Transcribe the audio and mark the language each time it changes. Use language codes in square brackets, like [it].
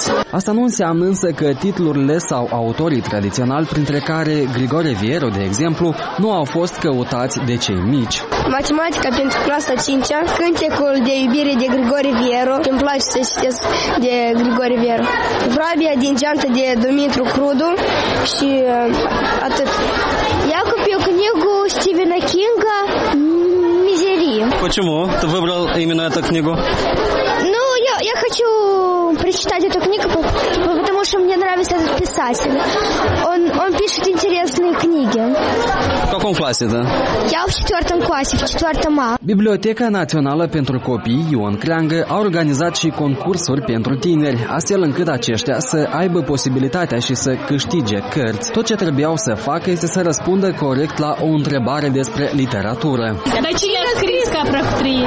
[ro] Asta nu înseamnă însă că titlurile sau autorii tradiționali, printre care Grigore Vieru, de exemplu, nu au fost căutați de cei mici. Matematica pentru clasa 5-a, Cântecul de iubire de Grigore Vieru, îmi place să citesc de Grigore Vieru. Vrabia din geantă de Dumitru Crudu și atât. [ru] Я купил книгу Стивена Кинга «Мизерия». Почему ты выбрал именно эту книгу? Ну, я хочу прочитать эту книгу, потому что мне нравится этот писатель. Он пишет интересные книги. В каком классе, да? Я в четвертом классе, в четвертом А. [ro] Библиотека Națională pentru Copii Ion Creangă a organizat și concursuri pentru tineri, astfel încât aceștia să aibă posibilitatea și să câștige cărți. Tot ce trebuiau să facă este să răspundă corect la o întrebare despre literatură. Dar cine a scris Capra Cutrie?